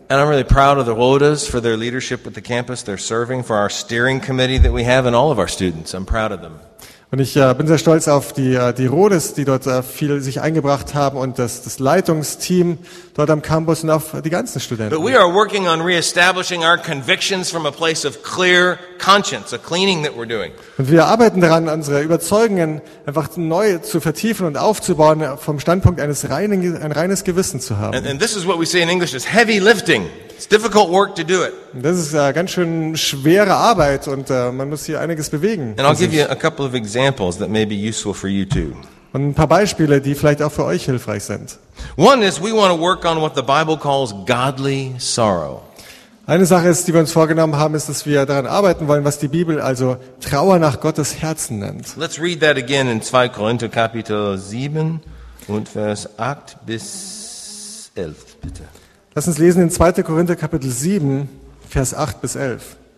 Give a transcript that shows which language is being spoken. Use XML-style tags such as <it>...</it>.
<en>And I'm really proud of the Rodas for their leadership with the campus, they're serving for our steering committee that we have and all of our students. I'm proud of them.</en> <de>Und ich bin sehr stolz auf die Rodes, die dort viel sich eingebracht haben und das Leitungsteam dort am Campus und auf die ganzen Studenten.</de> <en>But we are working on reestablishing our convictions from a place of clear conscience, a cleaning that we're doing.</en> <de>Und wir arbeiten daran, unsere Überzeugungen einfach neu zu vertiefen und aufzubauen vom Standpunkt eines reines Gewissen zu haben.</de> <en>And this is what we say in English is heavy lifting. It's difficult work to do it.</en> <de>Das ist ganz schön schwere Arbeit und man muss hier einiges bewegen.</de> <en>And I'll give you a couple of examples that may be useful for you too.</en> <de>Und ein paar Beispiele, die vielleicht auch für euch hilfreich sind.</de> <en>One is we want to work on what the Bible calls godly sorrow.</en> <de>Eine Sache ist, die wir uns vorgenommen haben, ist, dass wir daran arbeiten wollen, was die Bibel also Trauer nach Gottes Herzen nennt.</de> <en>Let's read that again in</en> <de>2 Korinther Kapitel 7 und Vers 8 bis 11, bitte. Lass uns lesen in 2. Korinther Kapitel 7, Vers 8 bis 11.</de>